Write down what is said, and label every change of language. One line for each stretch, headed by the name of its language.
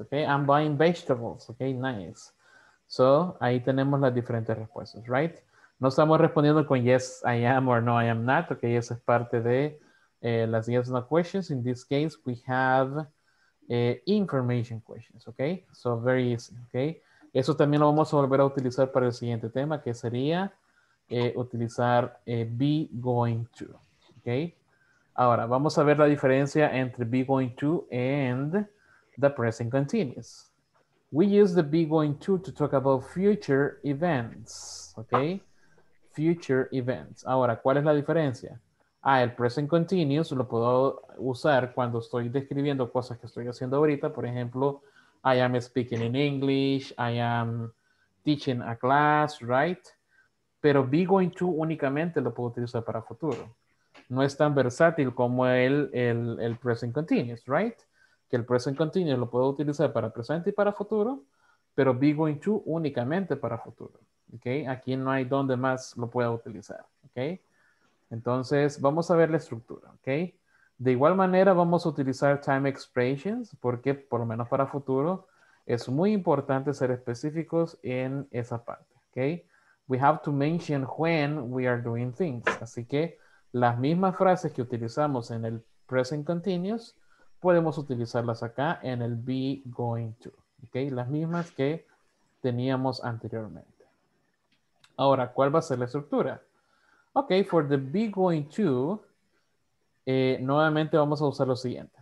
English: Okay, I'm buying vegetables. Okay, nice. So,
Spanish: ahí tenemos las diferentes respuestas,
English: right?
Spanish: No estamos respondiendo con
English: yes, I am, or no, I am not.
Spanish: Okay, eso es parte de las yes, no questions.
English: In this case, we have information questions, okay? So, very easy, okay?
Spanish: Eso también lo vamos a volver a utilizar para el siguiente tema, que sería utilizar be going to, okay? Ahora, vamos a ver la diferencia entre be going to and the present continuous.
English: We use the be going to talk about future events, okay? Future events.
Spanish: Ahora, ¿cuál es la diferencia? Ah, el present continuous lo puedo usar cuando estoy describiendo cosas que estoy haciendo ahorita. Por ejemplo,
English: I am speaking in English, I am teaching a class, right?
Spanish: pero be going to únicamente lo puedo utilizar para futuro. No es tan versátil como el present continuous, right? Que el present continuous lo puedo utilizar para presente y para futuro, pero be going to únicamente para futuro, ¿ok? Aquí no hay donde más lo pueda utilizar, ¿ok? Entonces, vamos a ver la estructura, ¿ok? De igual manera, vamos a utilizar time expressions, porque por lo menos para futuro, es muy importante ser específicos en esa parte, ¿ok?
English: We have to mention when we are doing things.
Spanish: Así que las mismas frases que utilizamos en el present continuous, podemos utilizarlas acá en el be going to. Okay, las mismas que teníamos anteriormente. Ahora, ¿cuál va a ser la estructura? Ok,
English: for the be going to,
Spanish: nuevamente vamos a usar lo siguiente.